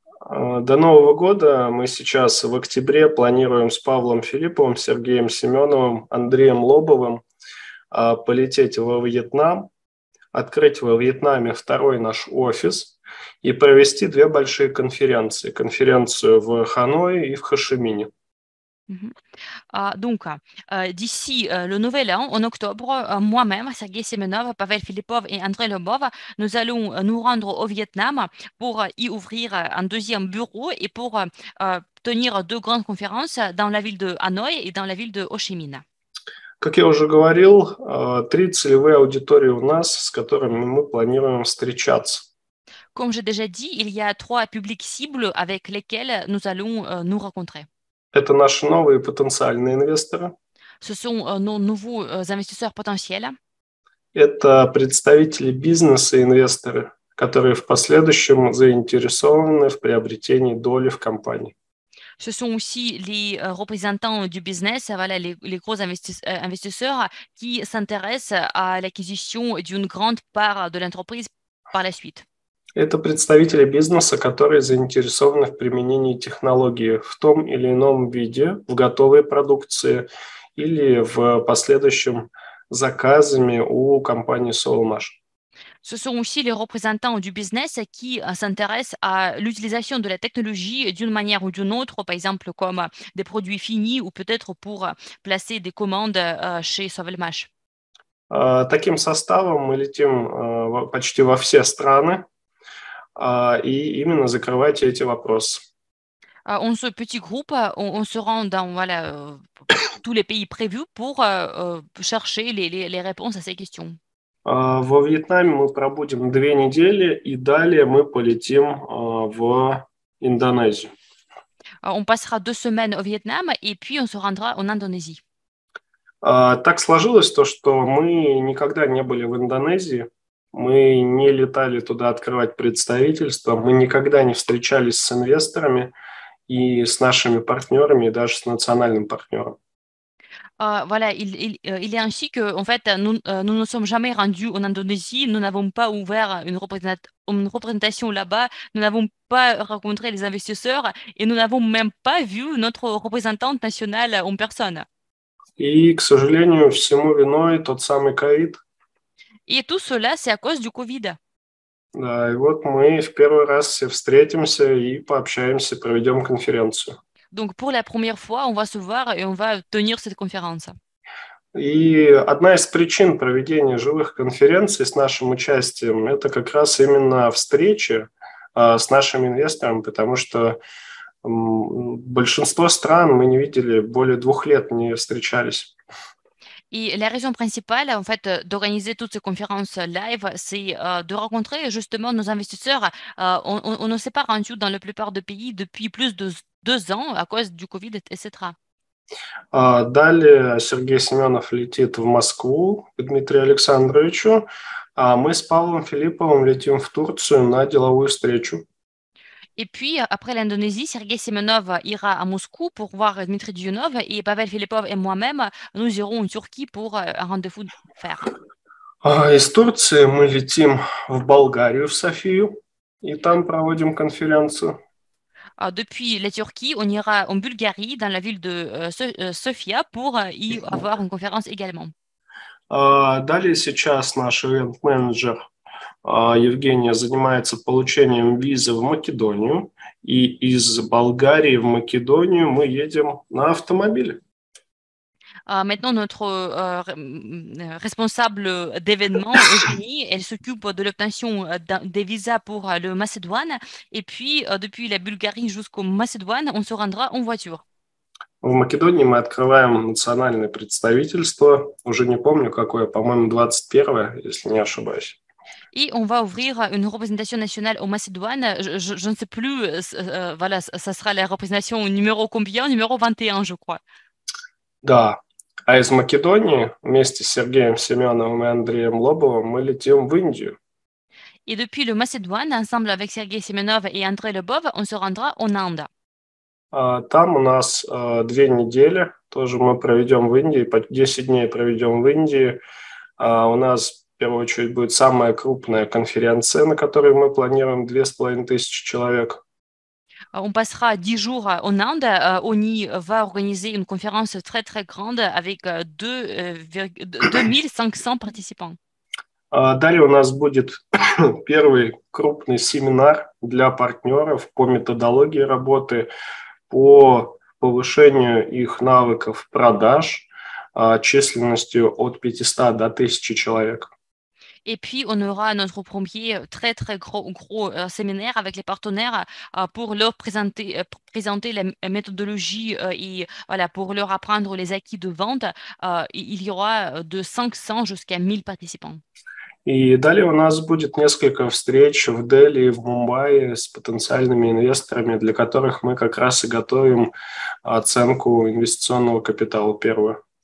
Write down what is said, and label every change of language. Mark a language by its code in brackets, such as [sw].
[ru] До Нового года мы сейчас в октябре планируем с Павлом Филипповым, Сергеем Семеновым, Андреем Лобовым полететь во Вьетнам, открыть во Вьетнаме второй наш офис и провести две большие конференции. Конференцию в Ханое и в Хошимине. [fr] Donc, d'ici le nouvel an, en octobre, moi-même, Sergei Semenov, Pavel Filipov et André Lobov, nous allons nous rendre au Vietnam pour y ouvrir un deuxième bureau et pour tenir deux grandes conférences dans la ville de Hanoï et dans la ville de Ho Chi Minh. [ru] Как я уже говорил, три целевые аудитории у нас, с которыми мы планируем встречаться. [fr] Comme j'ai déjà dit, il y a trois publics cibles avec lesquels nous allons nous rencontrer. [ru] Это наши новые потенциальные инвесторы. [fr] Ce sont nos nouveaux investisseurs potentiels. [ru] Это представители бизнеса и инвесторы, которые в последующем заинтересованы в приобретении доли в компании. [fr] Ce sont aussi les représentants du business, voilà, les gros investisseurs qui s'intéressent à l'acquisition d'une grande part de l'entreprise par la suite. [ru] Это представители бизнеса, которые заинтересованы в применении технологии в том или ином виде, в готовой продукции или в последующем заказами у компании Solmash. [fr] Ce sont aussi les représentants du business qui s'intéressent à l'utilisation de la technologie d'une manière ou d'une autre, par exemple comme des produits finis ou peut-être pour placer des commandes chez Solmash. [ru] Таким составом мы летим почти во все страны. И именно закрывать эти вопросы. [fr] On se petit groupe, on se rend dans voilà tous les pays prévus pour chercher les réponses à ces questions. [ru] Во Вьетнаме мы пробудем две недели и далее мы полетим в Индонезию. [fr] On passera deux semaines au Vietnam et puis on se rendra en Indonésie. [ru] Так сложилось то, что мы никогда не были в Индонезии. Мы не летали туда открывать представительство, мы никогда не встречались с инвесторами и с нашими партнерами, и даже с национальным партнером. [fr] Voilà, il est ainsi que, en fait, nous ne sommes jamais rendus en Indonésie, nous n'avons pas ouvert une représentation là-bas, nous n'avons pas rencontré les investisseurs et nous n'avons même pas vu notre représentante nationale en personne. [ru] И, к сожалению, всему виной тот самый COVID. И тут все, это из-за ковида. Да, и вот мы в первый раз все встретимся и пообщаемся, проведем конференцию. [fr] Donc pour la première fois, on va se voir et on va tenir cette conférence. [ru] И одна из причин проведения живых конференций с нашим участием – это как раз именно встречи с нашими инвесторами, потому что большинство стран мы не видели более двух лет, не встречались. [fr] Et la raison principale, en fait, d'organiser toutes ces conférences live, c'est de rencontrer justement nos investisseurs. On ne s'est pas rendu dans la plupart des pays depuis plus de deux ans à cause du COVID, etc. [ru] Далее Сергей Семенов летит в Москву к Дмитрию Александровичу, а мы с Павлом Филипповым летим в Турцию на деловую встречу. [fr] Et puis, après l'Indonésie, Sergei Semenov ira à Moscou pour voir Dmitri Dionov et Pavel Filipov et moi-même, nous irons en Turquie pour un rendez-vous de fer. [ru] Из Турции мы летим в Болгарию, в Софию, и там проводим конференцию. [fr] Depuis la Turquie, on ira en Bulgarie, dans la ville de Sofia, pour y avoir une conférence également. [ru] Далее сейчас наш ивент-менеджер Евгения занимается получением визы в Македонию, и из Болгарии в Македонию мы едем на автомобиле. [fr] Maintenant, notre responsable d'événements, Eugénie, elle s'occupe de l'obtention des visas pour le Macédoine. Et puis, depuis la Bulgarie jusqu'au Macédoine, on se rendra en voiture. [ru] В Македонии мы открываем национальное представительство. Уже не помню, какое, по-моему, 21-е, если не ошибаюсь. И [fr] on va ouvrir une représentation nationale au Macédoine. Je ne sais plus, voilà, ça sera la représentation numéro combien? Numéro 21, je crois. [ru] Да. А из Македонии вместе с Сергеем Семеновым и Андреем Лобовым мы летим в Индию. И [fr] depuis le Macédoine, ensemble avec Сергей Семенов и André Lobov, on se rendra en Inde. [ru] Там у нас две недели, тоже мы проведем в Индии, по 10 дней проведем в Индии. У нас, в первую очередь, будет самая крупная конференция, на которой мы планируем 2500 человек. [fr] On passera 10 jours en Inde. On y va organiser une conférence très, très grande avec 2500 participants. [ru] Далее у нас будет первый крупный семинар для партнеров по методологии работы, по повышению их навыков продаж численностью от 500 до 1000 человек. [fr] Et puis on aura notre premier très très gros séminaire avec les partenaires pour leur présenter la méthodologie et voilà pour leur apprendre les acquis de vente. Il y aura de 500 jusqu'à 1000 participants. [ru] И далее у нас будет несколько встреч в Дели и в Мумбаи с потенциальными инвесторами, для которых мы как раз и готовим оценку инвестиционного капитала первую.